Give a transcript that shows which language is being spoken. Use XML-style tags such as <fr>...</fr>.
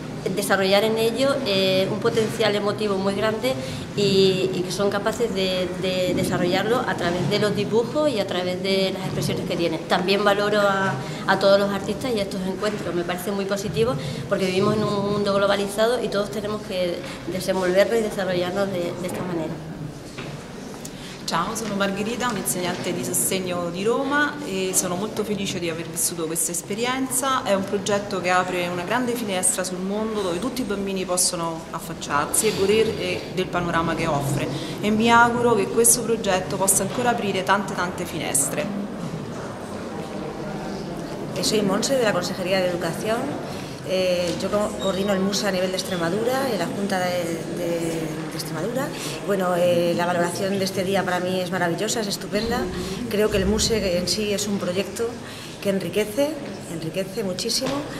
<es>desarrollar en ello un potencial emotivo muy grande y que son capaces de desarrollarlo a través de los dibujos y a través de las expresiones que tienen. También valoro a todos los artistas y a estos encuentros, me parece muy positivo porque vivimos en un mundo globalizado y todos tenemos que desenvolvernos y desarrollarnos de esta manera.</es> <it>Ciao, sono Margherita, un'insegnante di sostegno di Roma e sono molto felice di aver vissuto questa esperienza. È un progetto che apre una grande finestra sul mondo dove tutti i bambini possono affacciarsi e godere del panorama che offre. E mi auguro che questo progetto possa ancora aprire tante tante finestre. Sono Monse della</it> <es>Consejería de Educación. Yo coordino el MUSA a nivel de Extremadura, en la Junta de Extremadura. Bueno, la valoración de este día para mí es maravillosa, es estupenda. Creo que el MUSE en sí es un proyecto que enriquece muchísimo.</es>